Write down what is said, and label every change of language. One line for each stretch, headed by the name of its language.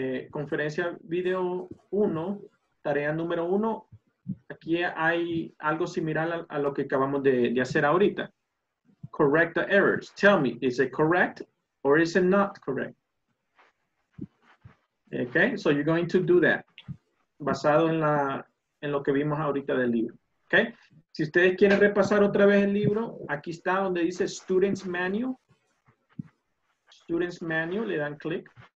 Spanish: Conferencia video uno. Tarea número uno. Aquí hay algo similar a lo que acabamos de hacer ahorita.
English: Correct the errors. Tell me, is it correct or is it not correct? Okay, so you're going to do that.
Spanish: Basado en la en lo que vimos ahorita del libro. Okay, si ustedes quieren repasar otra vez el libro, aquí está donde dice Student's Manual. Student's Manual, le dan clic.